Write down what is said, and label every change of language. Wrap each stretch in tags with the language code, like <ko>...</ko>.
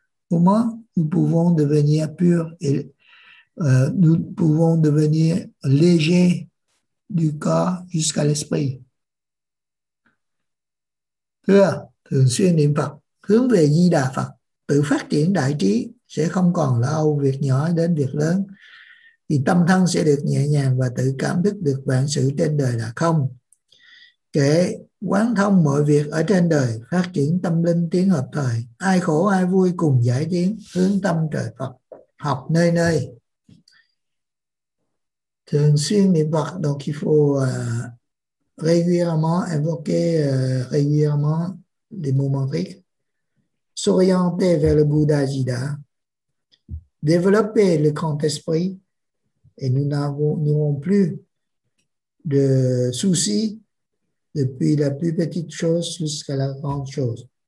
<fr>Comment nous pouvons devenir purs et nous pouvons devenir légers du corps jusqu'à l'esprit?</fr> <vi>Thưa, thường xuyên niệm Phật, hướng về Di Đà Phật, tự phát triển đại trí, sẽ không còn lo âu việc nhỏ đến việc lớn, thì tâm thân sẽ được nhẹ nhàng và tự cảm thức được vạn sự trên đời là không. Kể quán thông mọi việc ở trên đời, phát triển tâm linh tiến hợp thời, ai khổ ai vui cùng giải tiến, hướng tâm trời Phật, học nơi nơi. Thường xuyên niệm Phật,</vi> <fr>donc il faut régulièrement invoquer régulièrement des moments riches. S'orienter vers le Bouddha Ajita, développer le grand esprit, et nous n'aurons plus de soucis depuis la plus petite chose jusqu'à la grande chose.</fr>